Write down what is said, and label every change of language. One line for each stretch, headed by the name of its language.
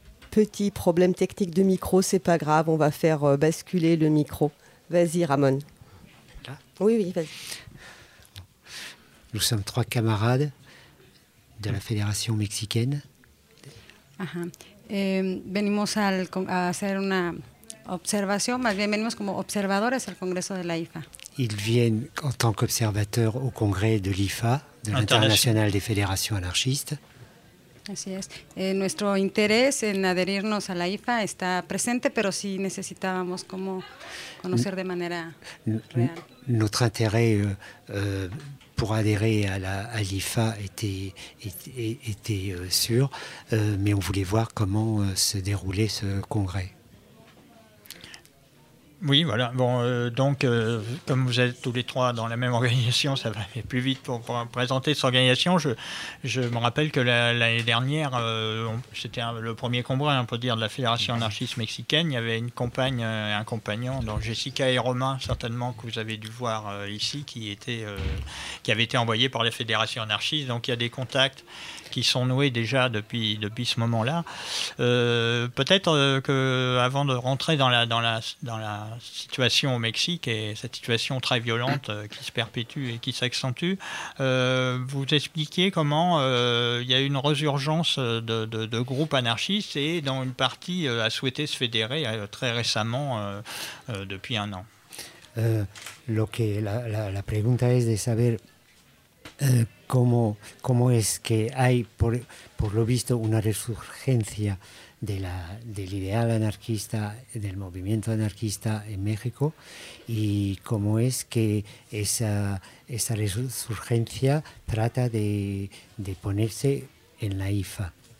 French: Petit problème technique de micro, c'est pas grave, on va faire basculer le micro. Vas-y, Ramon. Là ? Oui, vas-y. Nous sommes trois camarades de la Fédération mexicaine. Ajá.
Spanish: Venimos a hacer una observación, más bien venimos como observadores al Congreso de la IFA.
French: Ils viennent en tant qu'observateurs au congrès de l'IFA, de l'International des Fédérations Anarchistes.
Spanish: Así es. Nuestro interés en adherirnos a la IFA está presente, pero sí necesitábamos como conocer de manera real.
French: Notre intérêt pour adhérer à l'IFA était sûr, mais on voulait voir comment se déroulait ce congrès. Oui, voilà. Bon, comme vous êtes tous les trois dans la même organisation, ça va aller plus vite pour présenter cette organisation. Je me rappelle que l'année dernière, c'était le premier congrès, on peut dire, de la Fédération anarchiste mexicaine. Il y avait une compagne et un compagnon, donc Jessica et Romain, certainement, que vous avez dû voir ici, qui avaient été envoyés par la Fédération anarchiste. Donc il y a des contacts qui sont noués déjà depuis ce moment-là. Peut-être qu'avant de rentrer dans la situation au Mexique et cette situation très violente qui se perpétue et qui s'accentue, vous expliquiez comment il y a une résurgence de groupes anarchistes et dont une partie a souhaité se fédérer très récemment, depuis un an.
Spanish: La pregunta es de saber cómo es que hay por lo visto una resurgencia del ideal anarquista, del movimiento anarquista en México, y cómo es que esa resurgencia trata de ponerse en la IFA.